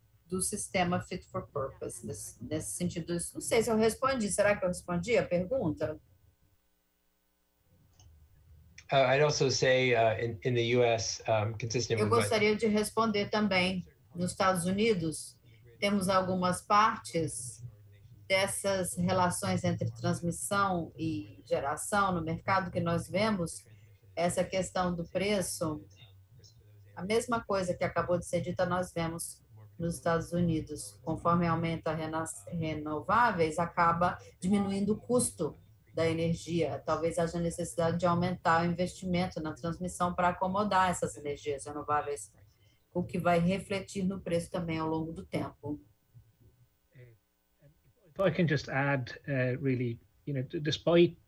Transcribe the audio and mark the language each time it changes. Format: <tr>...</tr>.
<pt>do sistema fit for purpose, nesse sentido. Não sei se eu respondi, será que eu respondi a pergunta?</pt> <en>I'd also say in the US, consistent with</en> <pt>Eu gostaria de responder também, nos Estados Unidos, temos algumas partes dessas relações entre transmissão e geração no mercado que nós vemos, essa questão do preço, a mesma coisa que acabou de ser dita, nós vemos nos Estados Unidos. Conforme aumenta renováveis, acaba diminuindo o custo da energia. Talvez haja necessidade de aumentar o investimento na transmissão para acomodar essas energias renováveis, o que vai refletir no preço também ao longo do tempo.</pt> <en>I can just add, really, you know, despite.</en>